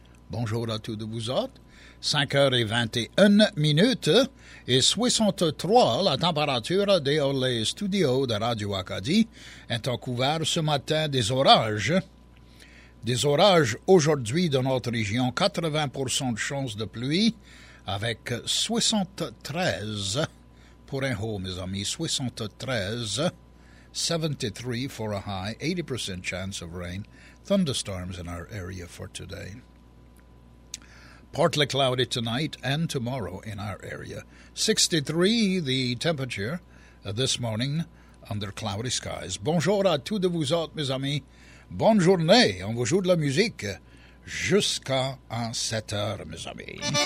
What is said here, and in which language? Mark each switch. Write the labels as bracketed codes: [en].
[fr] Bonjour à tous de vous autres. 5h21 et 63 la température des Orlais studios de Radio Acadie est en couvert ce matin des orages. Des orages aujourd'hui dans notre région, 80% de chances de pluie avec 73 pour un haut, mes amis. [en] 73, 73 for a high, 80% chance of rain, thunderstorms in our area for today. Partly cloudy tonight and tomorrow in our area. 63 the temperature this morning under cloudy skies. [fr] Bonjour à tous de vous autres, mes amis. Bonne journée. On vous joue de la musique jusqu'à 7 heures, mes amis.